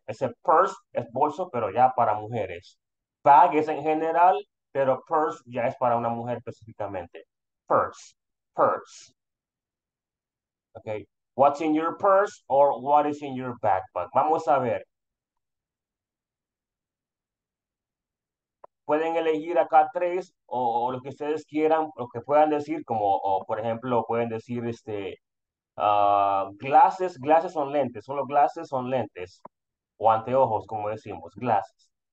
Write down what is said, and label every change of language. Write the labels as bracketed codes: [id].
[es] Ese purse es bolso, pero ya para mujeres. Bag es en general, pero purse ya es para una mujer específicamente. [en] Purse. Okay. What's in your purse or what is in your backpack? [es] Vamos a ver. Pueden elegir acá tres o lo que ustedes quieran, lo que puedan decir, como o, por ejemplo, pueden decir glasses son lentes, solo glasses son lentes, o anteojos, como decimos, glasses.